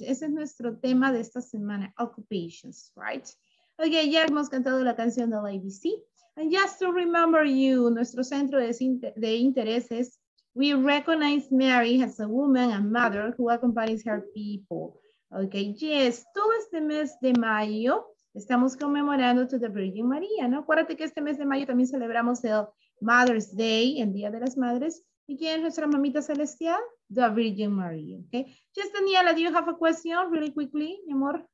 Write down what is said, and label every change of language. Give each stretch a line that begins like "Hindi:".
Spanish: Ese es nuestro tema de esta semana, occupations, right? Okay, ya hemos cantado la canción de la ABC.
English: And just to remember you,
Spanish: nuestro centro de intereses,
English: we recognize Mary as a woman and mother who accompanies her people.
Spanish: Okay, yes, todo este mes de mayo, estamos conmemorando
English: to the
Spanish: Virgin María, ¿no? Acuérdate que este mes de mayo también celebramos el Mother's Day, el Día de las Madres. ¿Y quién es nuestra mamita celestial?
English: The Virgin María,
Spanish: ¿ok?
English: Just Daniela, do you have a question really quickly,
Spanish: mi amor?